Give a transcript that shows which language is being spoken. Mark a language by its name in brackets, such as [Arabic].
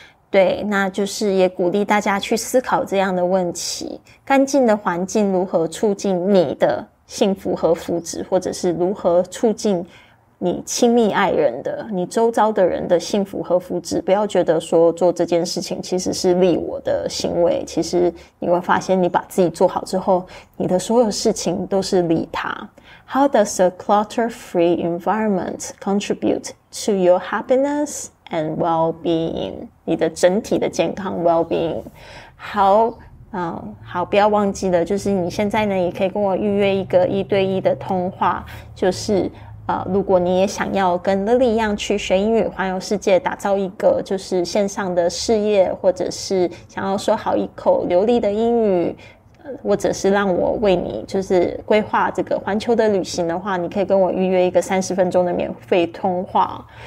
[Chinese] 对，那就是也鼓励大家去思考这样的问题，干净的环境如何促进你的幸福和福祉，或者是如何促进你亲密爱人的，你周遭的人的幸福和福祉。不要觉得说做这件事情其实是利我的行为，其实你会发现你把自己做好之后，你的所有事情都是利他。 [English] How does a clutter-free environment contribute to your happiness and well-being? [Chinese] 你的整体的健康 well-being 好好，不要忘记了，就是你现在呢也可以跟我预约一个一对一的通话，就是如果你也想要跟 Lily 一样去学英语环游世界，打造一个就是线上的事业，或者是想要说好一口流利的英语，或者是让我为你就是规划这个环球的旅行的话，你可以跟我预约一个30分钟的免费通话。